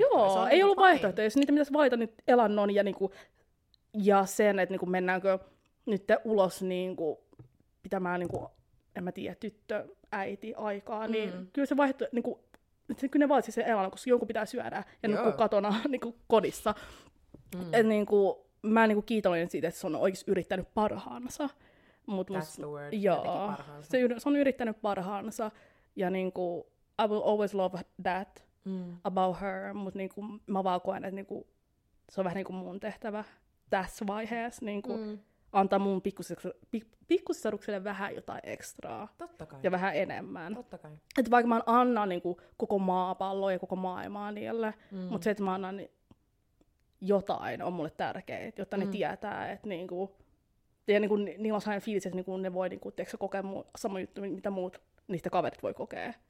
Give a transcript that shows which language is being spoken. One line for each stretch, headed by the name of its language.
Finnish: Joo, ei niin ollut vaihtoehtoja. Jos niitä pitäisi vaihtaa nyt elannon ja, niin kuin, ja sen, että niin kuin, mennäänkö nyt ulos niin kuin, pitämään, niin kuin, en mä tiedä, tyttö, äiti, aikaa, niin kyllä se vaihtoehto, niin kuin, kyllä ne vaatisi sen elannon, koska jonkun pitää syödä ja nukkuu katona niin kuin, kodissa. Et, niin kuin, mä niin kuin, kiitollinen siitä, että se on oikeasti yrittänyt parhaansa.
English: That's the word.
Finnish: Joo. Se on yrittänyt parhaansa. Ja niinku,
English: I will always love that about her.
Finnish: Mut niinku, mä vaan koen, että niinku, se on vähän niinku mun tehtävä tässä vaiheessa. Niinku, antaa mun pikkusisarukselle vähän jotain ekstraa. Totta kai. Ja vähän enemmän. Totta kai. Et vaikka mä annan niinku, koko maapalloa ja koko maailmaa niille, mutta se, että mä annan jotain, on mulle tärkeet, jotta ne tietää, että niinku, ja niin kuin, niillä on sellainen fiilis, että niin kuin ne voi niin kuin, tiedätkö, kokea sama juttu, mitä muut niistä kaverit voi kokea.